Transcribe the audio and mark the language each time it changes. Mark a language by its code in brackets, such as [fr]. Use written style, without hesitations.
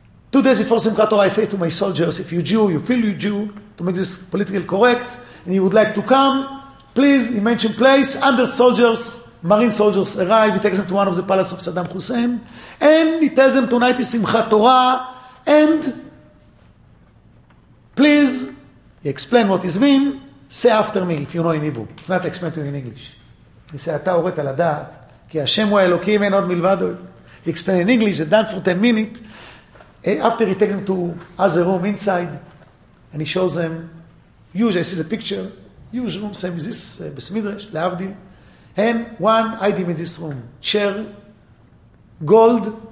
[en] 2 days before Simchat Torah, I say to my soldiers, if you're Jew, you feel you're Jew, to make this politically correct, and you would like to come, please, you mention place, 100 soldiers, Marine soldiers arrive, he takes them to one of the palaces of Saddam Hussein, and he tells them tonight is Simchat Torah, and please, he explain what it means, say after me, if you know in Hebrew, if not, I explain to you in English. [he] He says, אתה הורית על הדעת, כי השם הוא האלוקים, אין עוד מלבדו. [en] He explain in English, he dance for 10 minutes, after he takes them to other room inside, and he shows them, huge, I see the picture, huge room, same as this, Besmidrash, Leavdil, and one item in this room, chair, gold,